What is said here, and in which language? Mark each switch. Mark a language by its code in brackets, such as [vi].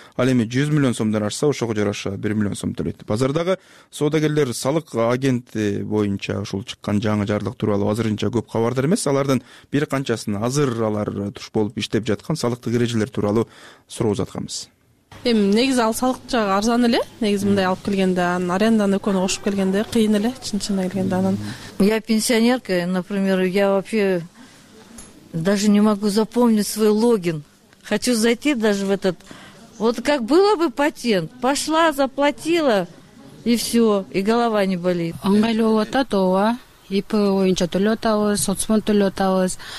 [ky] Ал эми 100 миллион сомдон ашса, ошого жараша 1 миллион сом төлөйт. Базардагы соодагерлер салык агенти боюнча ушул чыккан жаңы жарлык тууралуу азырынча көп кабардар эмес. Алардын бир канчасын азыр алар туш болуп иштеп жаткан салыктык эрежелер тууралуу суроо узатканбыз. Эми негизи ал салык жагы арзан эле, негизи мындай алып келгенде, анан аренданы экөөнү кошуп келгенде кыйын эле чынчына келгенде анан. [ru] Я пенсионерка, например, я вообще даже не могу запомнить свой логин. Хочу зайти даже в этот. Вот как было бы патент, пошла, заплатила и все, и голова не болит. [ky] Ыңгайлуу болуп атат, ооба. ИП боюнча төлөп атабыз, соцфонд төлөп атабыз.